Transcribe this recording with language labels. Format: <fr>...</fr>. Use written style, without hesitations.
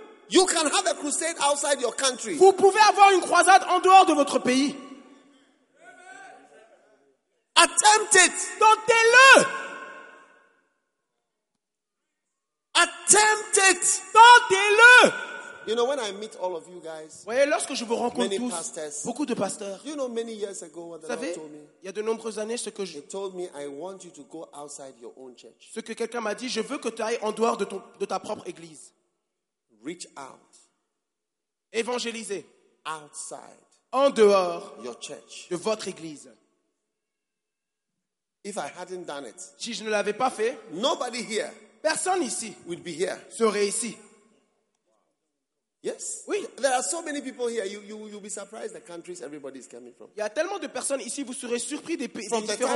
<en>You can have a crusade outside your country.</en> <fr>Vous pouvez avoir une croisade en dehors de votre pays.</fr> <en>Attempt it.</en> <fr>Tentez-le.</fr> <en>Attempt it.</en> <fr>Tentez-le.</fr> <en>You You know, when I meet all of you guys,</en> <fr>voyez, lorsque je vous rencontre tous,</fr> <en>pastors,</en> <fr>beaucoup de pasteurs,</fr> <en>you know, many years ago, what</en> <fr>vous savez, il y a de nombreuses années, ce que ce que quelqu'un m'a dit, je veux que tu ailles en dehors de, ton, de ta propre église.</fr> <en>Reach out.</en> <fr>Évangéliser.</fr> <en>Outside.</en> <fr>En dehors</fr> <en>your church.</en> <fr>De votre église.</fr> <en>If I hadn't done it,</en> <fr>si je ne l'avais pas fait,</fr> <en>nobody here</en> <fr>personne ici</fr> <en>would be here.</en> <fr>Serait ici.</fr> <en>Yes.</en> <fr>Oui.</fr> <en>There are so many people here. You'll be surprised the countries everybody is coming from.</en> <fr>Il y a tellement de personnes ici, vous serez surpris des pays différents.</fr>